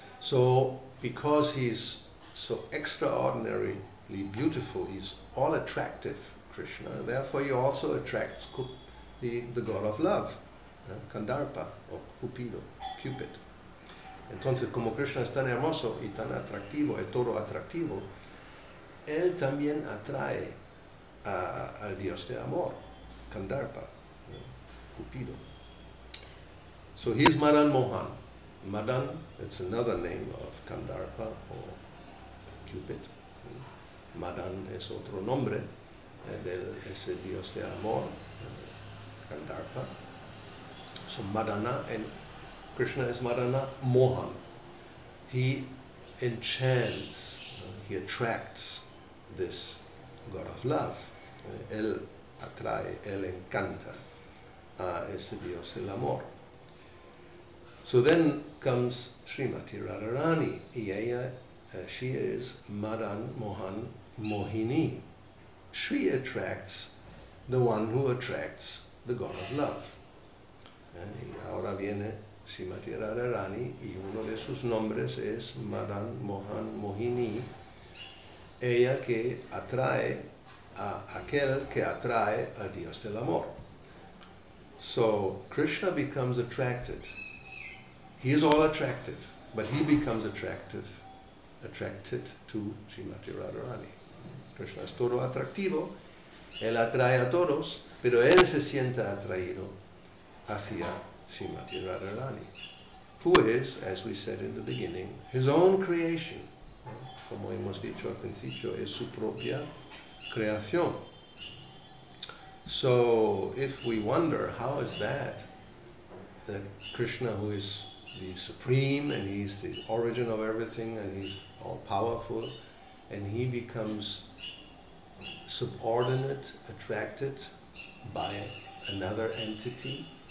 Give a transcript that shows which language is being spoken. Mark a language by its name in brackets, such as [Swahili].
[English] So, because he is so extraordinarily beautiful, he is all attractive, Krishna, therefore he also attracts the god of love, Kandarpa, or Cupido, Cupid. [Spanish] Entonces, como Krishna es tan hermoso y tan atractivo, es todo atractivo, él también atrae al dios de amor, Kandarpa, Cupido. [English] So he is Madan Mohan. Madan, it's another name of Kandarpa or Cupid. [Spanish] Madan es otro nombre del ese dios de amor, Kandarpa. [English] So Madana, and Krishna is Madana Mohan. He enchants, he attracts this god of love. [Spanish] Él atrae, él encanta a ese dios del amor. [English] So then comes Srimati Radharani, [Spanish] y ella, [English] she is Madan Mohan Mohini. She attracts the one who attracts the god of love. [Spanish] Y ahora viene Srimati Radharani, y uno de sus nombres es Madan Mohan Mohini, ella que atrae a aquel que atrae al dios del amor. [English] So Krishna becomes attracted. He is all attractive, but he becomes attracted to Srimati Radharani. [Spanish] Krishna es todo atractivo, él atrae a todos, pero él se siente atraído hacia Srimati Radharani, [English] who is, as we said in the beginning, his own creation. [Spanish] Como hemos dicho al principio, es su propia creación. [English] So, if we wonder, how is that Krishna, who is the supreme, and he's the origin of everything, and he's all powerful, and he becomes subordinate, attracted by another entity.